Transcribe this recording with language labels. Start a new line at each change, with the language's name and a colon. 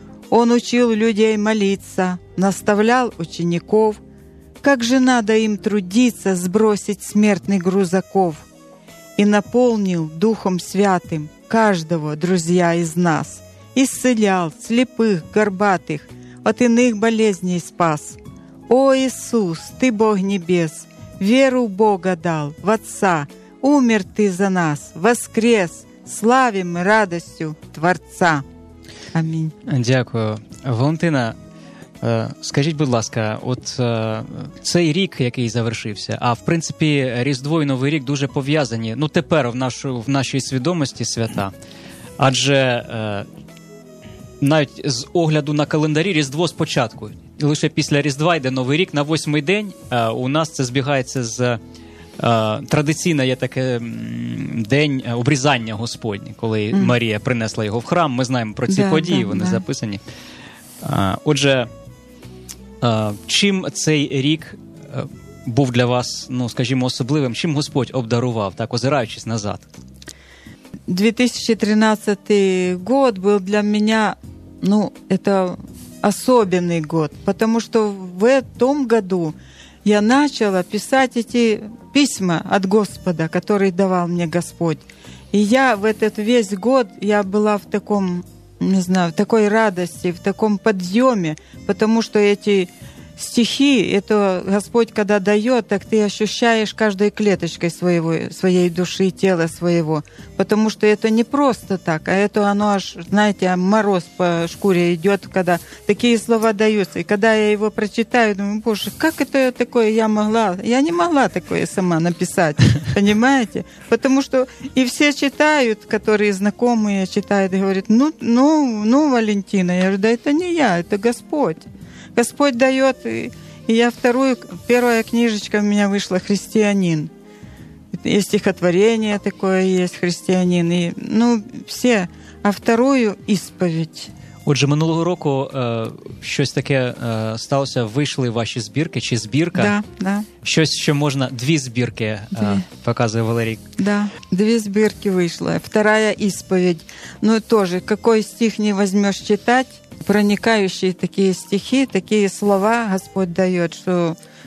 Russian: Он учил людей молиться, наставлял учеников, как же надо им трудиться, сбросить смертный груз оков, и наполнил Духом Святым каждого, друзья, из нас, исцелял слепых, горбатых, от иных болезней спас. О, Иисус, Ты Бог Небес, веру в Бога дал, в Отца, умер Ты за нас, воскрес, славим мы радостью Творца».
Ukrainian: Амінь. Дякую. Валентина, скажіть, будь ласка, от цей рік, який завершився, а в принципі Різдво і Новий рік дуже пов'язані, ну тепер в нашій свідомості свята, адже навіть з огляду на календарі Різдво спочатку, лише після Різдва йде Новий рік, на восьмий день у нас це збігається з... Традиційно є таке день обрізання Господні, коли Марія принесла його в храм. Ми знаємо про ці події, вони записані. Отже, чим цей рік був для вас, ну, скажімо, особливим? Чим Господь обдарував, так, озираючись назад? 2013 год був для мене, ну, це особливий год, тому що в цьому році я начала
Russian: писать эти письма от Господа, которые давал мне Господь. И я в этот весь год я была в таком, не знаю, в такой радости, в таком подъеме, потому что эти стихи, это Господь когда дает, так ты ощущаешь каждой клеточкой своего, своей души, тела своего. Потому что это не просто так, а это оно аж, знаете, мороз по шкуре идет, когда такие слова даются. И когда я его прочитаю, думаю: Боже, как это я такое я могла? Я не могла такое сама написать, понимаете? Потому что и все читают, которые знакомые читают, и говорят: ну, Валентина. Я говорю: да это не я, это Господь. Господь дает, и я вторую, первая книжечка у меня вышла «Христианин». И и стихотворение такое есть, «Христианин», и, ну, все. А вторую – «Исповедь».
Ukrainian: Отже, минулого року щось таке сталося, вийшли ваші збірки, чи збірка?
Russian: Да, да.
Ukrainian: Щось, що можна, дві збірки, показує Валерій. Да, дві збірки вийшли.
Russian: Вторая – «Исповедь».
Ukrainian: Ну, теж, який стих не візьмеш читати, проникаючі такі стихи, такі слова Господь дає, що…